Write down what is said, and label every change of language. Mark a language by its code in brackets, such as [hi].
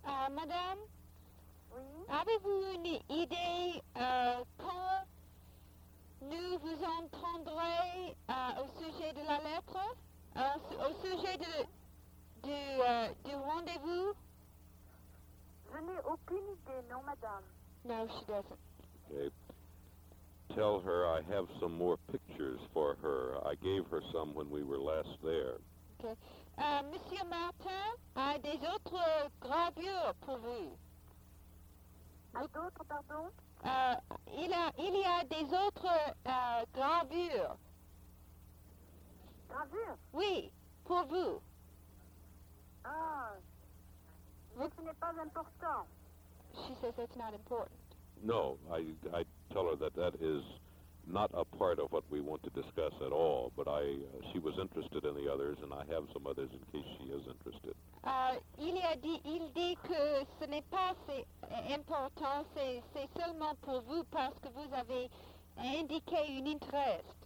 [fr] Madame? Oui? Avez-vous une idée quand nous vous entendrez au sujet de la lettre? Au sujet du rendez-vous? Je n'ai aucune idée, non, madame. [en] No, she doesn't. Okay. Tell her I have some more pictures for her. I gave her some when we were last there. Okay. [fr] Monsieur Martin a des autres gravures pour vous. A d'autres, pardon? Il y a des autres gravures. Gravures? Oui, pour vous. Ah, mais ce n'est pas important. [en] She says that's not important. No, I tell her that is not a part of what we want to discuss at all, but she was interested in the others, and I have some others in case she is interested. [fr] Il dit que ce n'est pas c'est important, c'est seulement pour vous parce que vous avez indiqué un intérêt.